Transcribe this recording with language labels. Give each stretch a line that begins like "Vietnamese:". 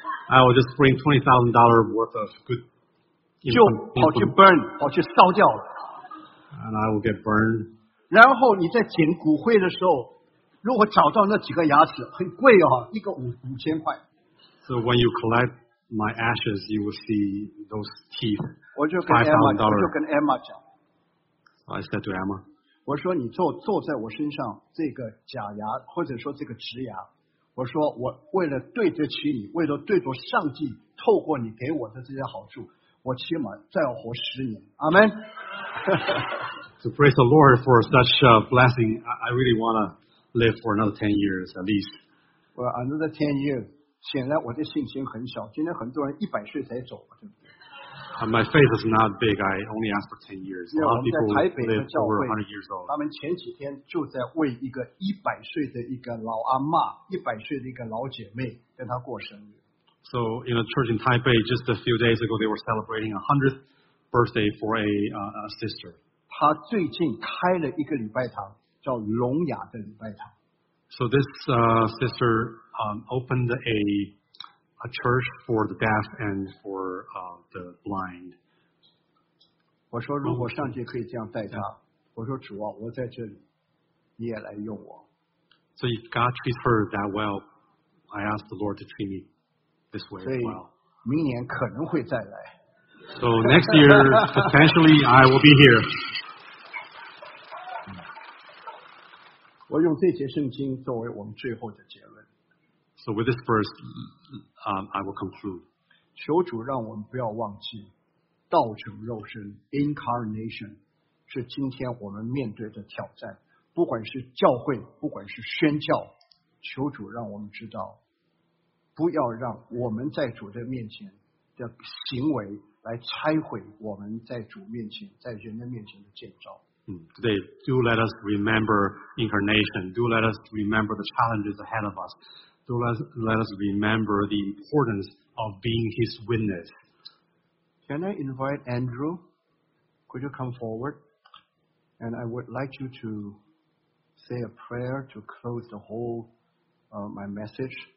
English: I will just bring $20,000 worth of good.
Chinese: 就跑去 burn， 跑去烧掉了。
English: And I will get burned.
Chinese: 然后你在捡骨灰的时候，如果找到那几个牙齿，很贵哦，一个$5,000。
English: So when you collect my ashes, you will see those teeth.
Chinese: 我就跟 Emma， 我就跟 Emma 讲。
English: So、I said to Emma，
Chinese: 我说你坐在我身上这个假牙，或者说这个植牙，我说我为了对得起你，为了对着上帝，透过你给我的这些好处。我起码再要活十年，阿门。
English: To praise the Lord for such a blessing, I really want to live for another 10 years at least. Well, another 10 years.
Chinese: 显然我的信心很小。今天很多人100岁才走，对不对
English: ？My faith is not big. I only ask for 10 years. A lot of people live over 100 years old.
Chinese: 他们前几天就在为一个100岁的一个老阿嬷、100岁的一个老姐妹跟她过生日。
English: So in a church in Taipei, just a few days ago, they were celebrating a 100th birthday for a sister.
Chinese: 他最近开了一个礼拜堂，叫聋哑的礼拜堂。
English: So this sister opened a church for the deaf and for the blind.
Chinese: 我说如果上帝可以这样带他，我说主啊，我在这里，你也来用我。
English: So if God treats her that well, I ask the Lord to treat me. This way as well.
Chinese: 所以明年可能会再来。
English: So next year, potentially, I will be here.
Chinese: 我用这节圣经作为我们最后的结论。
English: So with this verse, I will conclude.
Chinese: 求主让我们不要忘记，道成肉身 ，incarnation， 是今天我们面对的挑战。不管是教会，不管是宣教，求主让我们知道。不要让我们在主的面前的行为来拆毁我们在主面前在人的面前的建造
English: today, do let us remember incarnation. Do let us remember the challenges ahead of us. Do let us remember the importance of being His witness. Can I invite Andrew? Could you come forward? And I would like you to say a prayer to close the whole my message.